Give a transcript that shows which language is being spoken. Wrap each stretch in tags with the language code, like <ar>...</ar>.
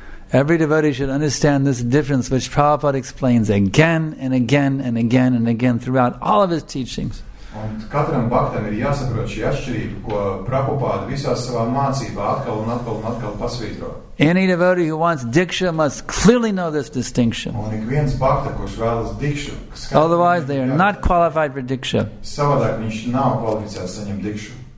<en>Every devotee should understand this difference which Prabhupada explains again and again and again and again throughout all of his teachings.</en> <lv>Un katram baktam ir jāsaprot šī atšķirība, ko Prabhupāda visā savā mācībā atkal un atkal un atkal pasvītro.</lv> <en>Any devotee who wants diksha must clearly know this distinction.</en> <lv>Un ik viens bakta, kurš vēlas diksha,</lv> <en>otherwise they are not qualified for diksha.</en> <lv>Savādāk viņš nav kvalificēts saņemt diksha.</lv>